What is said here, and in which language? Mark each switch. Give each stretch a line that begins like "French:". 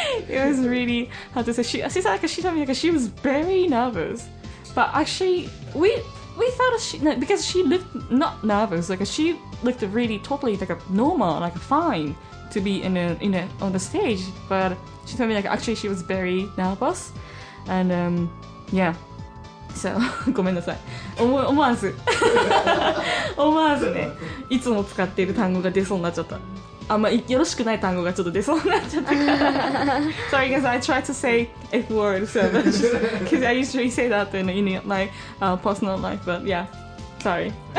English: It was really, how to say, she was very nervous, but actually, we thought she, no, because she looked not nervous, like she looked really totally like a normal, like fine to be on the stage, but she told me like actually she was very nervous, and yeah, so,
Japanese: ごめんなさい。思わずね、いつも使っている単語が出そうになっちゃった。あんまよろしくない単語がちょっと出そうになっちゃったから。
English: Sorry guys, I tried to say F word so much because I usually say that in my personal life, but yeah, sorry.